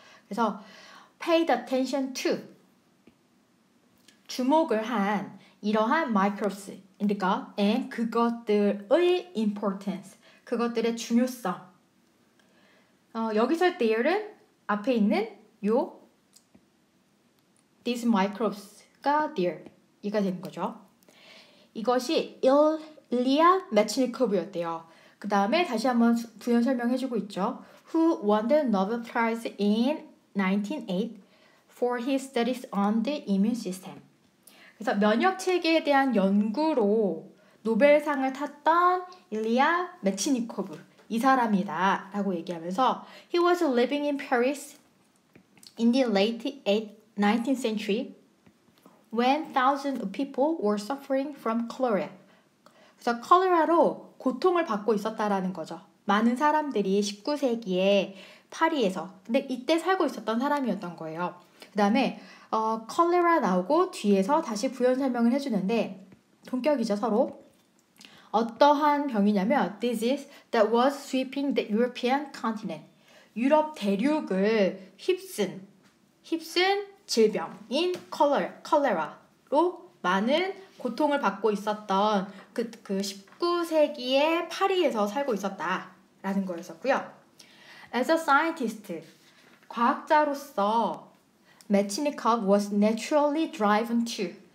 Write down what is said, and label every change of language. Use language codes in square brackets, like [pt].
[ko] 그래서 [en] paid attention to [ko] 주목을 한 이러한 [en] microbes in the gut and [ko] 그것들의 importance 그것들의 중요성 여기서 there은 앞에 있는 요 [en] these microbes [ko] 가 there 얘가 되는 거죠. 이것이 일리아 메치니코브였대요. 그 다음에 다시 한번 부연 설명해주고 있죠. [en] Who won the Nobel Prize in 1908 for his studies on the immune system. [ko] 그래서 면역체계에 대한 연구로 노벨상을 탔던 일리아 메치니코브 이 사람이다 라고 얘기하면서 [en] He was living in Paris in the late 19th century when thousands of people were suffering from cholera. [ko] 그래서 cholera로 고통을 받고 있었다라는 거죠. 많은 사람들이 19세기에 파리에서 근데 이때 살고 있었던 사람이었던 거예요. 그 다음에 cholera 나오고 뒤에서 다시 부연 설명을 해주는데 동격이죠 서로 어떠한 병이냐면 [en] disease that was sweeping the European continent. [ko] 유럽 대륙을 휩쓴 질병인 콜레라로 많은 고통을 받고 있었던 그 19세기의 파리에서 살고 있었다라는 거였었고요. [en] As a scientist, [ko] 과학자로서 [en] Metchnikov was naturally driven to.